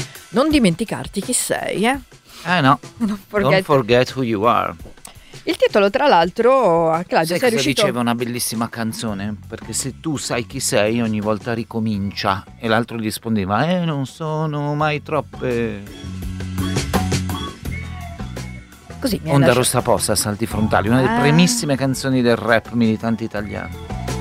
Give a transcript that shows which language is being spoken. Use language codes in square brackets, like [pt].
[it] non dimenticarti chi sei, eh? [en] Eh no, don't forget who you are. [it] Il titolo, tra l'altro, a Claudio, sai cosa riuscito... diceva una bellissima canzone? Perché se tu sai chi sei, ogni volta ricomincia. E l'altro gli rispondeva, non sono mai troppe. Così mi Onda Rossa Posta, Salti Frontali, una delle primissime canzoni del rap militante italiano.